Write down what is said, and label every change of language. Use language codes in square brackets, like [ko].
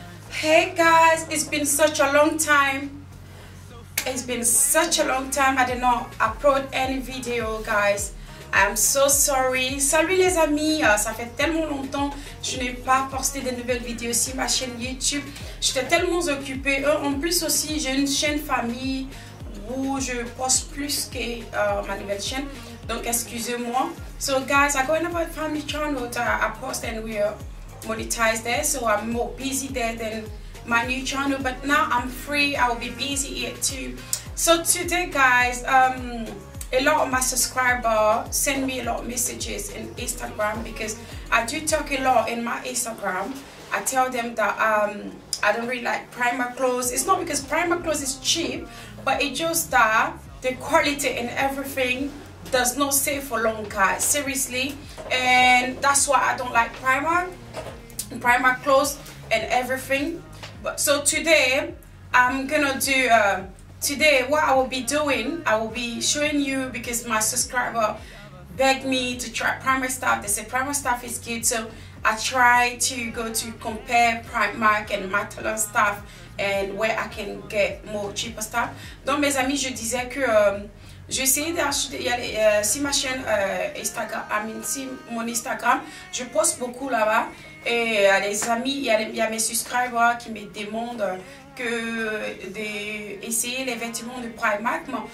[en] Hey guys, it's been such a long time. It's been such a long time I did not upload any video, guys. I'm so sorry. [fr] Salut les amis, ça fait tellement longtemps que je n'ai pas posté de nouvelles vidéos sur ma chaîne YouTube. J'étais tellement occupée. En plus aussi, j'ai une chaîne famille où je poste plus que ma nouvelle chaîne. Donc excusez-moi. [en] So guys, I'm going to my family channel to post and we are monetized there, so I'm more busy there than my new channel, but now I'm free, I'll be busy here too. So today guys, a lot of my subscribers send me a lot of messages in Instagram because I do talk a lot in my Instagram. I tell them that I don't really like Primark clothes. It's not because Primark clothes is cheap, but it's just that the quality and everything does not stay for long, guys, seriously. And that's why I don't like Primark clothes and everything. But so today I'm gonna do today what I will be doing, I will be showing you because my subscriber begged me to try Primark stuff. They say Primark stuff is good, so I try to go to compare Primark and Matalan stuff and where I can get more cheaper stuff. [fr] Donc mes amis, je disais que j'ai essayé d'acheter sur ma chaîne Instagram, mon Instagram, je poste beaucoup là-bas. Et les amis, il y a mes subscribers qui me demandent que d'essayer les vêtements de Primark.